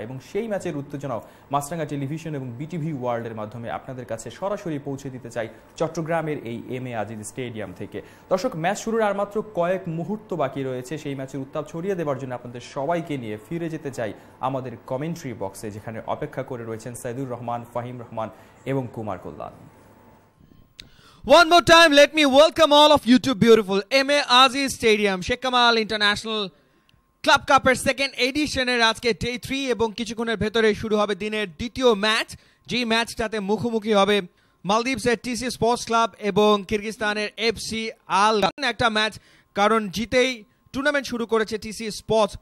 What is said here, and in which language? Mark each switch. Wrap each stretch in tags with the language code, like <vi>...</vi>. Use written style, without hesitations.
<bn>এবং সেই ম্যাচের উত্তেজনাও মাছরাঙ্গা টেলিভিশন এবং বিটিভি ওয়ার্ল্ডের মাধ্যমে আপনাদের কাছে সরাসরি পৌঁছে দিতে চাই চট্টগ্রামের এই এম এ আজিজ স্টেডিয়াম থেকে। দর্শক, ম্যাচ শুরুর আর মাত্র কয়েক মুহূর্ত বাকি রয়েছে, সেই ম্যাচের উত্তাপ ছড়িয়ে দেওয়ার জন্য আপনাদের সবাইকে নিয়ে ফিরে যেতে চাই আমাদের কমেন্ট্রি বক্সে, যেখানে অপেক্ষা করে রয়েছেন সাইদুর রহমান, ফাহিম রহমান এবং কুমার কল্যাণ।</bn> <en>One more time, let me welcome all of you to beautiful M.A.</en> <bn>Aziz Stadium, Sheikh Kamal International Club Cup এর সেকেন্ড এডিশনের আজকে ডে থ্রি, এবং কিছুক্ষণের ভেতরে শুরু হবে দিনের দ্বিতীয় ম্যাচ, যে ম্যাচটাতে মুখোমুখি হবে মালদ্বীপসের টিসি স্পোর্টস ক্লাব এবং কিরগিজস্তানের এফসি আলগা। একটা ম্যাচ, কারণ জিতেই টুর্নামেন্ট শুরু করেছে টিসি স্পোর্টস।</bn>